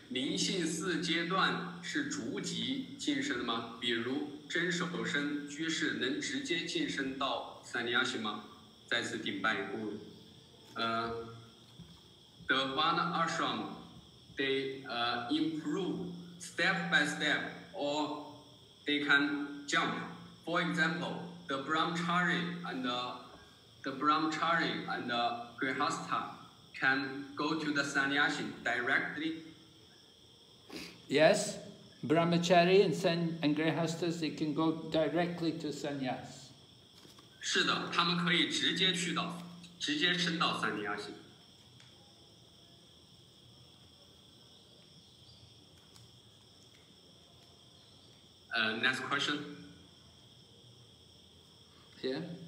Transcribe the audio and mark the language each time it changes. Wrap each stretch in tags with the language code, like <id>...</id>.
<zh>灵性四阶段是逐级晋升的吗？比如真守身居士能直接晋升到三尼亚行吗？再次顶拜一顾问。</zh> <en>The one ashram, they improve step by step, or they can jump. For example, the Brahmachari and the Grihastha can go to the Sannyasin directly. Yes, Brahmachari and Grihasthas, they can go directly to Sannyas.</en> <zh>是的，他们可以直接去到，直接升到三尼亚行。</zh> <en>Next question. Yeah.</en>